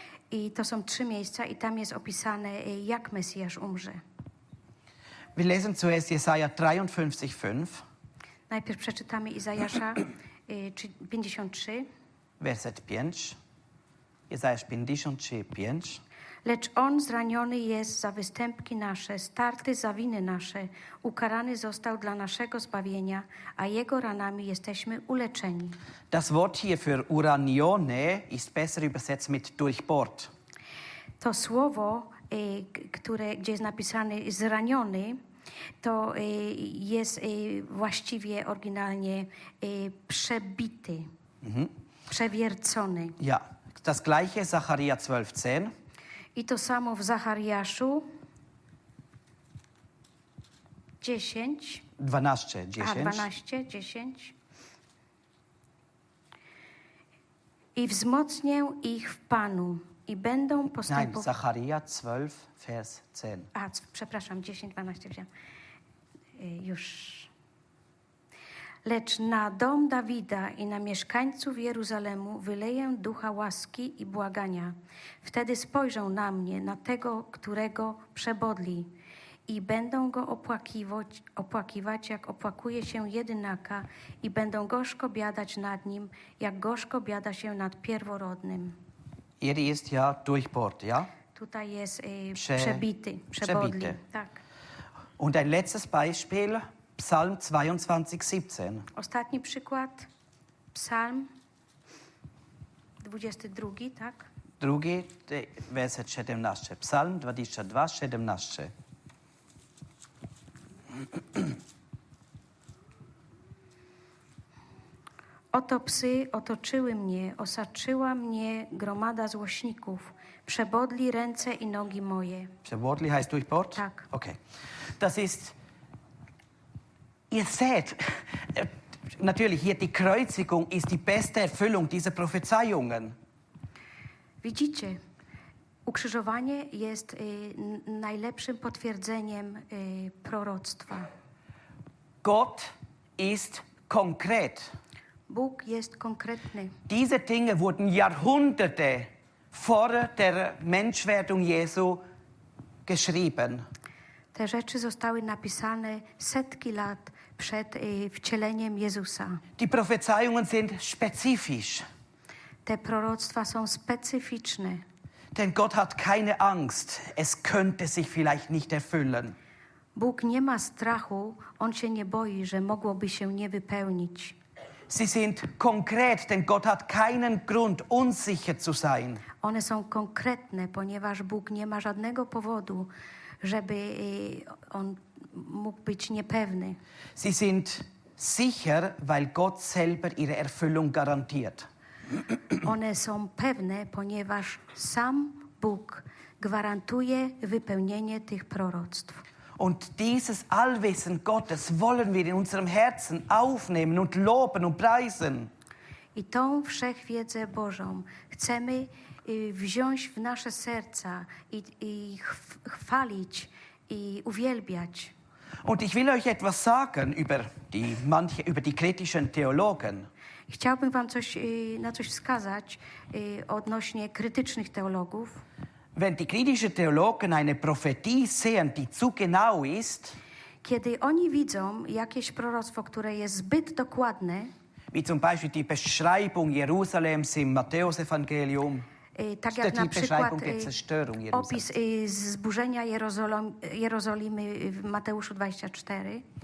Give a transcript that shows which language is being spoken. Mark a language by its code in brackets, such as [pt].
[pl] I to są trzy miejsca i tam jest opisane, jak Mesjasz umrze. [de] Wir lesen zuerst Jesaja 53,5. [pl] Najpierw przeczytamy Izajasza 53. Werset 5. Jesaja 53,5. Lecz on zraniony jest za występki nasze, starty za winy nasze, ukarany został dla naszego zbawienia, a jego ranami jesteśmy uleczeni. [de] Das Wort hier für uranione ist besser übersetzt mit durchbohrt. [pl] To słowo, które, gdzie jest napisane zraniony, to jest właściwie oryginalnie przebity, przewiercony. [de] Ja, das gleiche Zacharia 12,10. [pl] I to samo w Zachariaszu 10. 12, 10. A, 12, 10. I wzmocnię ich w Panu i będą postępować... [de] Nein, Zacharia 12, vers 10. [pl] A, przepraszam, 10, 12 wziąłem. Już. Lecz na dom Dawida i na mieszkańców Jeruzalemu wyleję ducha łaski i błagania. Wtedy spojrzą na mnie, na tego, którego przebodli i będą go opłakiwać, jak opłakuje się jedynaka i będą gorzko biadać nad nim, jak gorzko biada się nad pierworodnym. [de] Hier ist ja durchbohrt, ja? [pl] Tutaj jest przebity, przebodli. Tak. [de] Und ein letztes Beispiel. Psalm 22,17. [pl] Ostatni przykład. Psalm 22, tak? Drugi, werset 17. Psalm 22,17. Oto psy otoczyły mnie, osaczyła mnie gromada złośników. Przebodli ręce i nogi moje. [de] Przebodli heißt durchbohrt? [pl] Tak. [de] Okay. Das ist... Ihr seht, natürlich hier die Kreuzigung ist die beste Erfüllung dieser Prophezeiungen. [pl] Widzicie, ukrzyżowanie jest najlepszym potwierdzeniem proroctwa. [de] Gott ist konkret. [pl] Bóg jest konkretny. [de] Diese Dinge wurden Jahrhunderte vor der Menschwerdung Jesu geschrieben. [pl] Te rzeczy zostały napisane setki lat przed wcieleniem Jezusa. [de] Die Prophezeiungen sind spezifisch. [pl] Te proroctwa są specyficzne. [de] Denn Gott hat keine Angst, es könnte sich vielleicht nicht erfüllen. [pl] Bóg nie ma strachu, on się nie boi, że mogłoby się nie wypełnić. [de] Sie sind konkret, denn Gott hat keinen Grund, unsicher zu sein. [pl] One są konkretne, ponieważ Bóg nie ma żadnego powodu, żeby on mógł być niepewny. [de] Sie sind sicher, weil Gott selber ihre Erfüllung garantiert. [pl] One są pewne, ponieważ sam Bóg gwarantuje wypełnienie tych proroctw. [de] Und dieses Allwissen Gottes wollen wir in unserem Herzen aufnehmen und loben und preisen. [pl] I tą wszechwiedzę Bożą chcemy wziąć w nasze serca i chwalić i uwielbiać. [de] Und ich will euch etwas sagen über die kritischen Theologen. [pl] Chciałbym wam coś na coś wskazać odnośnie krytycznych teologów. [de] Wenn die kritischen Theologen eine Prophetie sehen, die zu genau ist, [pl] kiedy oni widzą jakieś proroctwo, które jest zbyt dokładne, [de] wie zum Beispiel die Beschreibung Jerusalems im Matthäusevangelium, [pl] tak jak na przykład opis zburzenia Jerozolimy w Mateuszu 24.